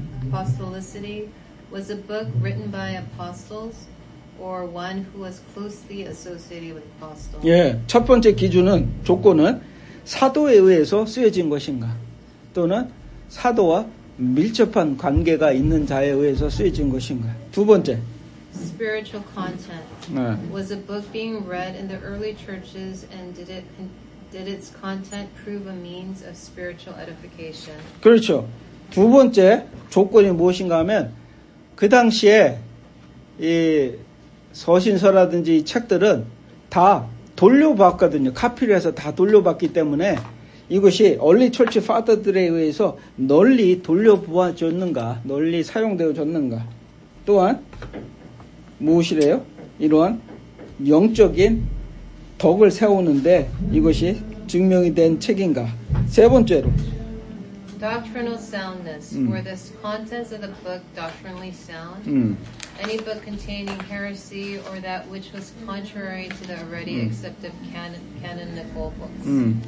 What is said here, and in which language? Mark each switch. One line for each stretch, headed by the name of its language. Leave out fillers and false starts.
English: Apostolicity was a book written by apostles. Or one who was closely associated with apostles.
Korean: 예, 첫 번째 기준은 조건은 사도에 의해서 쓰여진 것인가 또는 사도와 밀접한 관계가 있는 자에 의해서 쓰여진 것인가. 두 번째.
English: Spiritual content.
Korean: 네.
English: Was a book being read in the early churches and did its content prove a means of spiritual edification?
Korean: 그렇죠. 두 번째 조건이 무엇인가 하면 그 당시에 이 서신서라든지 책들은 다 돌려봤거든요. 카피를 해서 다 돌려봤기 때문에 이것이 얼리 철치 파더들에 의해서 널리 돌려보아졌는가, 널리 사용되어졌는가. 또한 무엇이래요? 이러한 영적인 덕을 세우는데 이것이 증명이 된 책인가. 세 번째로.
English: Doctrinal soundness. Were the contents of the book doctrinally sound? Any book containing heresy or that which was contrary to the already accepted canonical books.